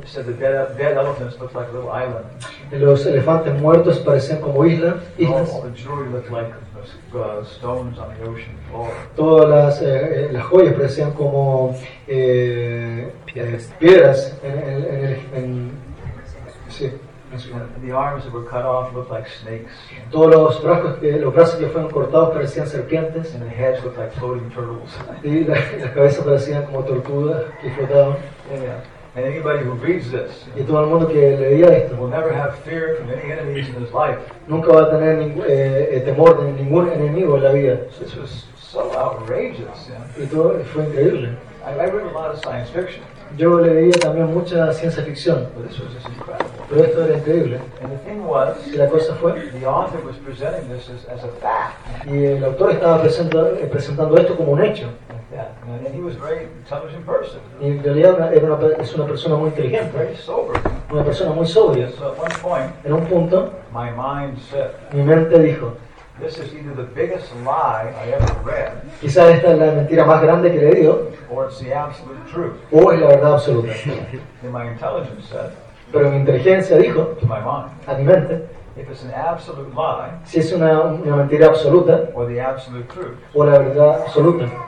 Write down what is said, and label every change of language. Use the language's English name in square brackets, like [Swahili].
[English] He said the dead elephants looked like little islands. [Spanish] Los elefantes muertos parecían como islas. [English] All the jewelry looked like stones on the ocean floor. [Spanish] Todas las joyas parecían como piedras en el, en, [English] The arms that were cut off looked like snakes. [Spanish] Todos los brazos que fueron cortados parecían serpientes. [English] And the heads looked like floating turtles. [Spanish] Y las cabezas parecían como tortugas que flotaban. [English] Yeah. And anybody who reads this, [Spanish] y todo el mundo que leía esto, [English] will never have fear from any enemies in his life. [Spanish] Nunca va a tener temor de ningún enemigo en la vida. [English] This was so outrageous. [Spanish] Y todo fue increíble. [English] I read a lot of science fiction. [Spanish] Yo leía también mucha ciencia ficción. Pero esto era increíble. [English] And the thing was, [Spanish] y la cosa fue, [English] the author was presenting this as a fact. [Spanish] Y el autor estaba presentando esto como un hecho. [English] And he was a very intelligent person. [Spanish] Y en realidad es una persona muy inteligente. [English] Very sober. [Spanish] Una persona muy sobria. [English] So at one point, [Spanish] en un punto, [English] my mind said, [Spanish] mi mente dijo, [English] this is either the biggest lie I ever read. [Spanish] Quizás esta es la mentira más grande que he leído. [English] Or it's the absolute truth. [Spanish] O es la verdad absoluta. [English] And my intelligence said. [Spanish] Pero mi inteligencia dijo. [English] To my mind. [Spanish] A mi mente. [English] If it's an absolute lie. [Spanish] Si es una mentira absoluta. [English] Or the absolute truth. [Spanish] O la verdad absoluta.